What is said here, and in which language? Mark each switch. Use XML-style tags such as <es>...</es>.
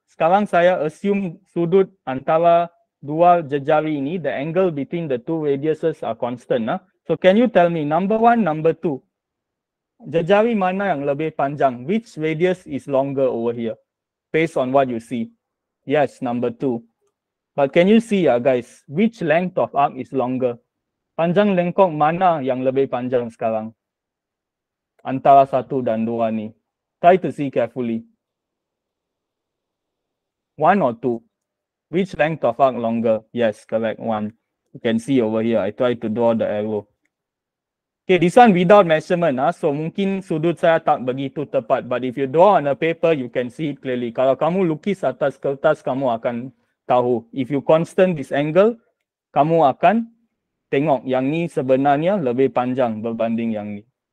<ms>Sekarang saya assume sudut antara dua jejari ini,</ms> <en>the angle between the two radiuses are constant. So can you tell me number one, number two,</en> <ms>jejari mana yang lebih panjang?</ms> <en>Which radius is longer over here based on what you see? Yes, number two. But can you see guys, which length of arc is longer?</en> <ms>Panjang lengkok mana yang lebih panjang sekarang? Antara satu dan dua ni.</ms> <en>Try to see carefully. One or two. Which length of arc longer? Yes, correct. One. You can see over here. I try to draw the arrow. Okay, this one without measurement. So</en> <ms>mungkin sudut saya tak begitu tepat.</ms> <en>But if you draw on a paper, you can see it clearly.</en> <ms>Kalau kamu lukis atas kertas, kamu akan tahu.</ms> <en>If you constant this angle,</en> <ms>kamu akan tengok yang ni sebenarnya lebih panjang berbanding yang ni.</ms>